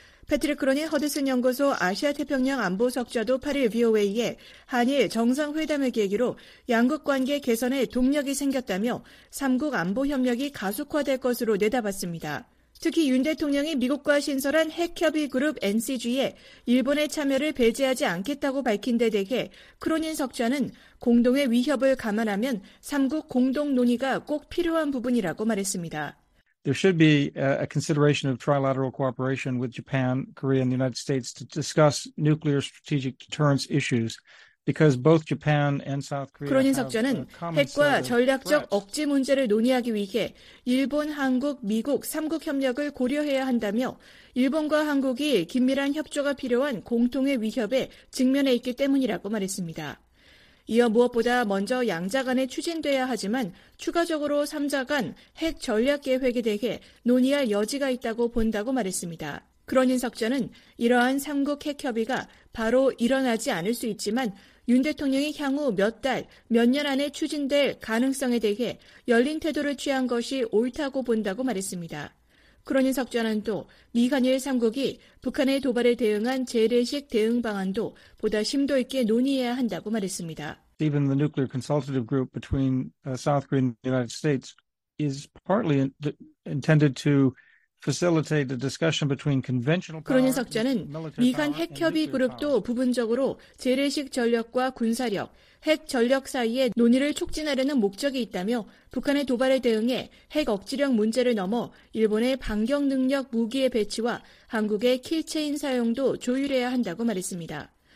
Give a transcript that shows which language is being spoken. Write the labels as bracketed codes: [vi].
[ko] 패트릭 크로니 허드슨 연구소 아시아태평양 안보석좌도 8일 VOA에 한일 정상회담을 계기로 양국 관계 개선에 동력이 생겼다며 3국 안보협력이 가속화될 것으로 내다봤습니다. 특히 윤 대통령이 미국과 신설한 핵협의 그룹 NCG에 일본의 참여를 배제하지 않겠다고 밝힌 데 대해 크로닌 석좌는 공동의 위협을 감안하면 3국 공동 논의가 꼭 필요한 부분이라고 말했습니다. [en] There should be a consideration of trilateral cooperation with Japan, Korea, and the United States to discuss nuclear strategic deterrence issues because both Japan and South Korea. [ko] 크로닌 석좌는 핵과 전략적 억제 문제를 논의하기 위해 일본, 한국, 미국 3국 협력을 고려해야 한다며 일본과 한국이 긴밀한 협조가 필요한 공통의 위협에 직면해 있기 때문이라고 말했습니다. 이어 무엇보다 먼저 양자 간에 추진돼야 하지만 추가적으로 3자 간 핵 전략 계획에 대해 논의할 여지가 있다고 본다고 말했습니다. 크로닌 석좌는 이러한 3국 핵 협의가 바로 일어나지 않을 수 있지만 윤 대통령이 향후 몇 달, 몇 년 안에 추진될 가능성에 대해 열린 태도를 취한 것이 옳다고 본다고 말했습니다. 크로닌 석좌는 또 미한일 3국이 북한의 도발에 대응한 재래식 대응 방안도 보다 심도 있게 논의해야 한다고 말했습니다. [en] Even the nuclear consultative group between South Korea and the United States is partly intended to facilitate the discussion between conventional power. [ko] 크로닌 석좌는 미한 핵협의 그룹도 부분적으로 재래식 전력과 군사력, 핵 전력 사이의 논의를 촉진하려는 목적이 있다며 북한의 도발에 대응해 핵 억지력 문제를 넘어 일본의 반격 능력 무기의 배치와 한국의 킬체인 사용도 조율해야 한다고 말했습니다.